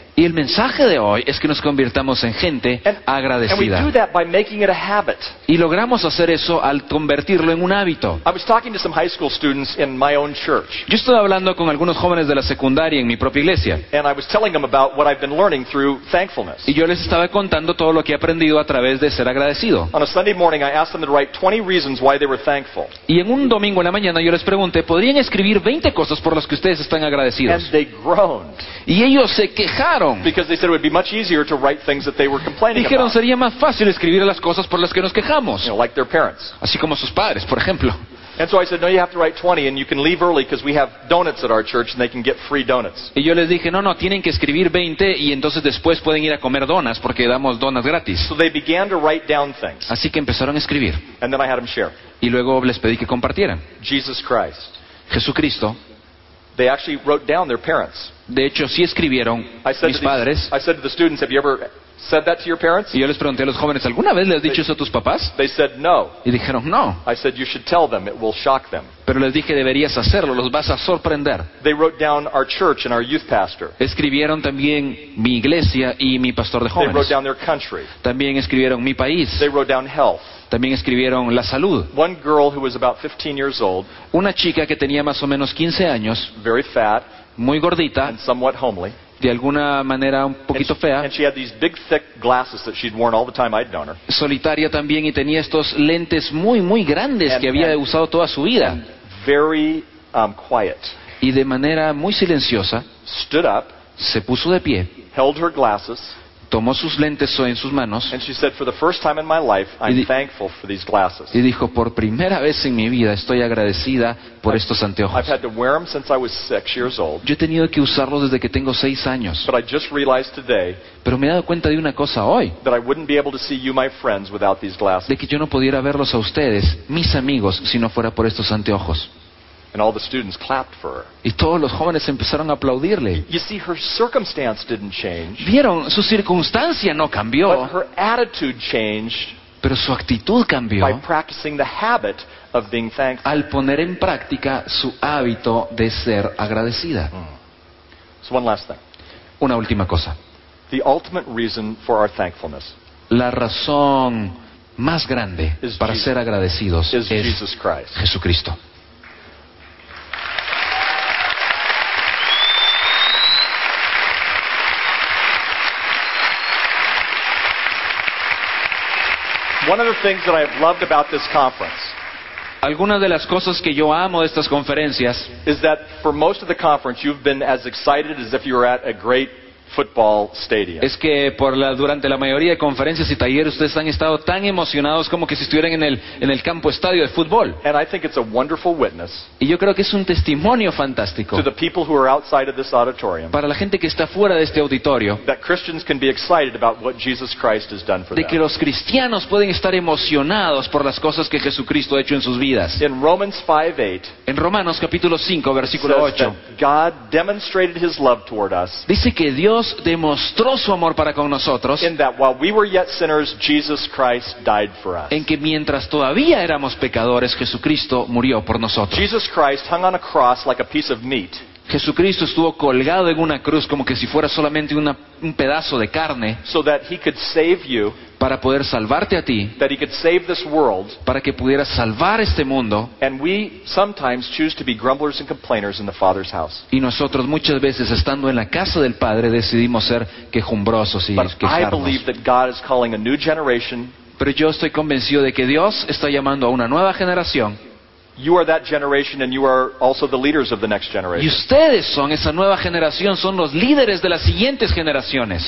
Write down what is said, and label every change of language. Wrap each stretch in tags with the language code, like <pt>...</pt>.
<es>Y el mensaje de hoy es que nos convirtamos en gente agradecida.</es> <en>And we do that by making it a habit.</en> <es>Y logramos hacer eso al convertirlo en un hábito.</es> <en>I was talking to some high school students in my own church.</en> <es>Yo estaba hablando con algunos jóvenes de la secundaria en mi propia iglesia.</es> <en>And I was telling them about what I've been learning through thankfulness.</en> <es>Y yo les estaba contando todo lo que he aprendido a través de ser agradecido.</es> <en>On a Sunday morning, I asked them to write 20 reasons why they were thankful.</en> <es>Y en un domingo en la mañana yo les pregunté, ¿podrían escribir 20 cosas por las que ustedes están agradecidos?</es> <en>And they groaned.</en> <es>Y ellos se quejaron.</es> <en>Because they said it would be much easier to write things that they were complaining about.</en> <es>Dijeron sería más fácil escribir las cosas por las que nos quejamos.</es> <en>You know, like their parents.</en> <es>Así como sus padres, por ejemplo.</es> <en>And so I said, no, you have to write 20 and you can leave early because we have donuts at our church and they can get free donuts.</en> <es>Y yo les dije, no, tienen que escribir 20 y entonces después pueden ir a comer donas porque damos donas gratis.</es> <en>So they began to write down things.</en> <es>Así que empezaron a escribir.</es> <en>And then I had them share.</en> <es>Y luego les pedí que compartieran.</es> <en>Jesus Christ.</en> <es>Jesucristo.</es> <en>They actually wrote down their parents.</en> <es>De hecho, sí escribieron mis padres.</es> <en>I said to the students, have you ever said that to your parents?</en> <es>Y yo les pregunté a los jóvenes, ¿alguna vez les has dicho eso a tus papás?</es> <en>They said no.</en> <es>Y dijeron no.</es> <en>I said you should tell them, it will shock them.</en> <es>Pero les dije, deberías hacerlo, los vas a sorprender.</es> <en>They wrote down our church and our youth pastor.</en> <es>Escribieron también mi iglesia y mi pastor de jóvenes.</es> <en>They wrote down their country.</en> <es>También escribieron mi país.</es> <en>They wrote down health.</en> <es>También escribieron la salud.</es> <en>One girl who was about 15 years old,</en> <es>una chica que tenía más o menos 15 años,</es> <en>very fat,</en> <es>muy gordita,</es> <en>and somewhat homely,</en> <es>de alguna manera un poquito fea,</es> <en>and she had these big thick glasses that she'd worn all the time I'd known her.</en> <es>Solitaria también y tenía estos lentes muy muy grandes que había usado toda su vida.</es> <en>Very quiet.</en> <es>Y de manera muy silenciosa,</es> <en>stood up,</en> <es>se puso de pie,</es> <en>held her glasses.</en> <es>Tomó sus lentes en sus manos.</es> <en>And she said, for the first time in my life, I'm thankful for these glasses.</en> <es>Y dijo, por primera vez en mi vida, estoy agradecida por estos anteojos.</es> <en>I've had to wear them since I was 6 years old.</en> <es>Yo he tenido que usarlos desde que tengo 6 años.</es> <en>But I just realized today.</en> <es>Pero me he dado cuenta de una cosa hoy.</es> <en>That I wouldn't be able to see you, my friends, without these glasses.</en> <es>De que yo no pudiera verlos a ustedes, mis amigos, si no fuera por estos anteojos.</es> <en>And all the students clapped for her.</en> <es>Y todos los jóvenes empezaron a aplaudirle.</es> <en>You see, her circumstance didn't change.</en> <es>Vieron, su circunstancia no cambió.</es> <en>But her attitude changed.</en> <es>Pero su actitud cambió.</es> <en>By practicing the habit of being thankful.</en> <es>Al poner en práctica su hábito de ser agradecida.</es> <en>So one last thing.</en> <es>Una última cosa.</es> <en>The ultimate reason for our thankfulness.</en> <es>La razón más grande para ser agradecidos es Jesus Christ. Jesucristo.</es> <en>One of the things that I've loved about this conference.</en> <es>Algunas de las cosas que yo amo de estas conferencias</es> <en>is that for most of the conference you've been as excited as if you were at a great football stadium.</en> <es>Es que durante la mayoría de conferencias y talleres ustedes han estado tan emocionados como que si estuvieran en el campo estadio de fútbol.</es> <en>And I think it's a wonderful witness.</en> <es>Y yo creo que es un testimonio fantástico.</es> <en>To the people who are outside of this auditorium.</en> <es>Para la gente que está fuera de este auditorio.</es> <en>That Christians can be excited about what Jesus Christ has done for them.</en> <es>De que los cristianos pueden estar emocionados por las cosas que Jesucristo ha hecho en sus vidas.</es> <en>In Romans 5:8.</en> <es>En Romanos capítulo 5 versículo 8.</es> <en>God demonstrated his love toward us.</en> <es>Dice que Dios demostró su amor para con nosotros.</es> <en>In that while we were yet sinners, Jesus Christ died for us.</en> <es>En que mientras todavía éramos pecadores, Jesucristo murió por nosotros.</es> <en>Jesus Christ hung on a cross like a piece of meat.</en> <es>Jesucristo estuvo colgado en una cruz como que si fuera solamente un pedazo de carne.</es> <en>So that he could save you.</en> <es>Para poder salvarte a ti.</es> <en>That he could save this world.</en> <es>Para que pudieras salvar este mundo.</es> <en>And we sometimes choose to be grumblers and complainers in the Father's house.</en> <es>Y nosotros muchas veces estando en la casa del Padre decidimos ser quejumbrosos y quejarnos.</es> <en>I believe that God is calling a new generation.</en> <es>Pero yo estoy convencido de que Dios está llamando a una nueva generación.</es> <en>You are that generation and you are also the leaders of the next generation.</en> <es>Y ustedes son esa nueva generación, son los líderes de las siguientes generaciones.</es>